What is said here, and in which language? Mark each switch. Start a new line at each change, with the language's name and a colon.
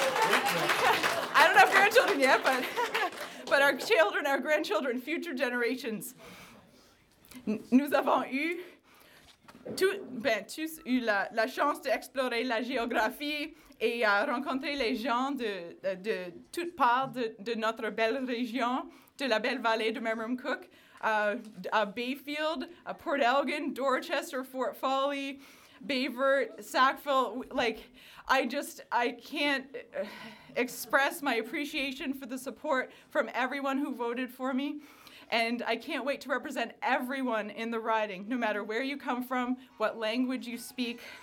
English: Yeah. I don't have grandchildren yet, but our children, our grandchildren, future generations.
French: Nous avons eu tous eu la chance d'explorer la géographie et rencontrer les gens de toutes parts de notre belle région, de la belle vallée de Memram Cook, à Bayfield, à Port Elgin, Dorchester, Fort Folly, Bayvert, Sackville.
English: Like, I can't express my appreciation for the support from everyone who voted for me. And I can't wait to represent everyone in the riding, no matter where you come from, what language you speak.